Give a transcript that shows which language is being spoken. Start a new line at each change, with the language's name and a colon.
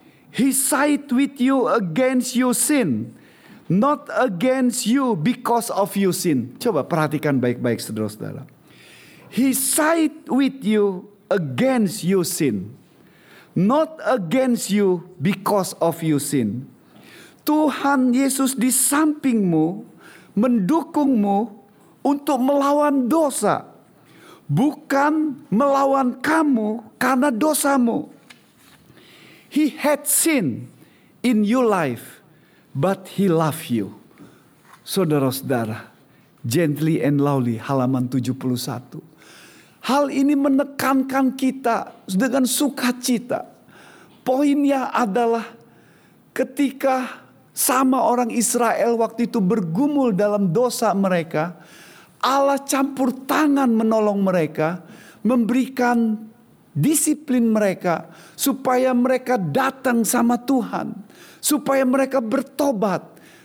English: He side with you against your sin. Not against you because of your sin. Coba perhatikan baik-baik saudara-saudara. He side with you against your sin. Not against you because of your sin.
Indonesian: Tuhan Yesus di sampingmu, mendukungmu untuk melawan dosa. Bukan melawan kamu karena dosamu.
English: He had sin in your life, but he loved you.
Indonesian: Saudara-saudara, Gently and Lowly, halaman 71. Hal ini menekankan kita dengan sukacita. Poinnya adalah ketika sama orang Israel waktu itu bergumul dalam dosa mereka, Allah campur tangan menolong mereka, memberikan disiplin mereka supaya mereka datang sama Tuhan, supaya mereka bertobat.